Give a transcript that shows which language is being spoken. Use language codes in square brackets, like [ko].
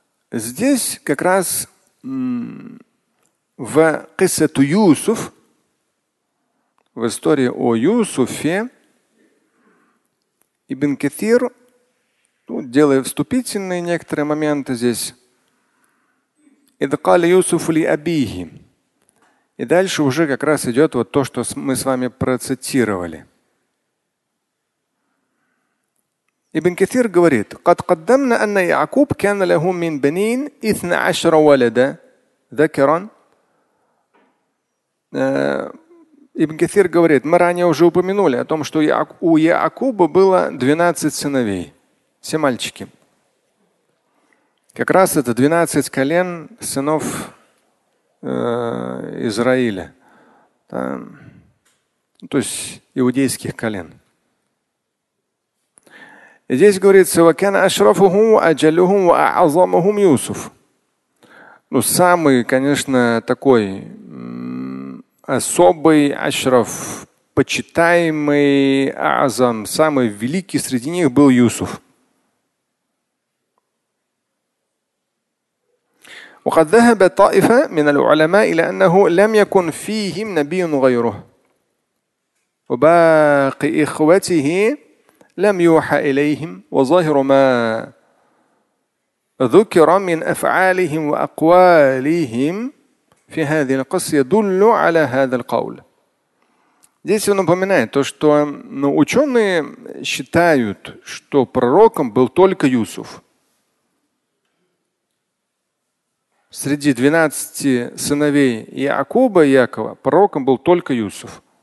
[ru] Здесь как раз в «Qisatu Yusuf», в истории о Юсуфе, Ибн Кафир, ну, делая вступительные некоторые моменты здесь, [ar] إذ قال يوسف لأبيه. [ru] И дальше уже как раз идет вот то, что мы с вами процитировали. Ибн Кафир говорит: [ar] قد قدمنا أن يعقوب كان له من بنين 12 ولدا ذكرا. [ru] Ибн Кафир говорит, мы ранее уже упомянули о том, что у Якуба было 12 сыновей, все мальчики. Как раз это 12 колен сынов Израиля, там, то есть иудейских колен. И здесь говорится, [ar] وَكَانَ أَشْرَفُهُمْ وَأَجَلُهُمْ وَأَعْظَمُهُمْ يُوسُف. [ru] Ну, самый, конечно, такой особый ашраф, почитаемый азам, самый великий среди них был Юсуф. [ar] وقد ذهب طائفة من العلماء إلى أنه لم يكن فيهم نبي غيره وباقي إخوته لم يوحى إليهم وظاهر ما ذكر من أفعالهم وأقوالهم في هذه القصة يدل على هذا القول. [ru] Здесь он упоминает то, что, ну, ученые считают, что пророком был только Юсуф. Среди 12 сыновей Якуба и Якова пророком был только Юсуф.